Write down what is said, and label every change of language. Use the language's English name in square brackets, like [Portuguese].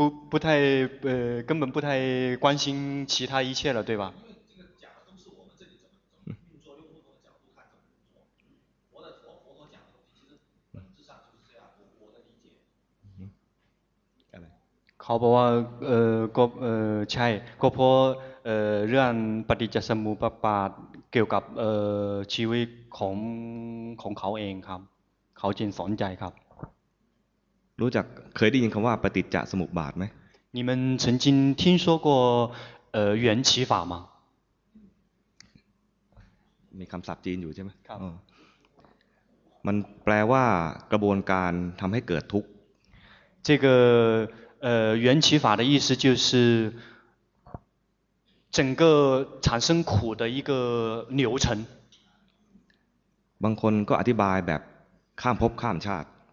[Chinese] 不太根本不太关心其他一切了对吧 [Thai] เขาบอกว่าก็ใช่ก็เพราะเรื่องปฏิจจสมุปบาทเกี่ยวกับชีวิตของเขาเองครับเขาจึงสนใจครับ รู้จักเคยได้ยินคำว่าปฏิจจสมุปบาทไหม [Chinese] 你们曾经听说过缘起法吗 [Thai] มีคำศัพท์จีนอยู่ใช่ไหม ครับ มันแปลว่ากระบวนการทำให้เกิดทุกข์ [Chinese] 这个缘起法的意思就是整个产生苦的一个流程。 [Thai] บางคนก็อธิบายแบบข้ามภพข้ามชาติ